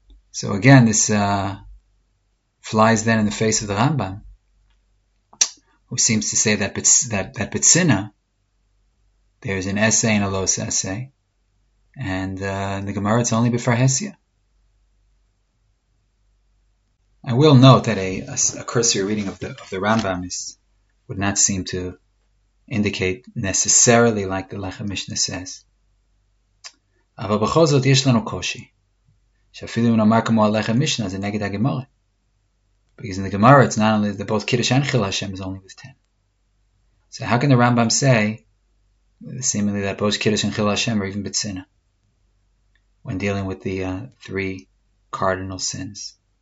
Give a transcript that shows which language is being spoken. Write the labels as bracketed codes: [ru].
[en] So again, this flies then in the face of the Rambam, who seems to say that Bitsina, there's an essay and a los essay, and in the Gemara it's only Befarhesia. I will note that a cursory reading of the Rambam would not seem to indicate necessarily like the Lecha Mishnah says. [he] אבל בכל זאת יש לנו קושי, שאפילו אם נאמר כמו הלכה משנה, זה נגד הגמרא. [en] Because in the Gemara, it's not only that both Kiddush and Chil Hashem is only with 10. So how can the Rambam say, seemingly, that both Kiddush and Chil Hashem are even Betzina, when dealing with the three cardinal sins?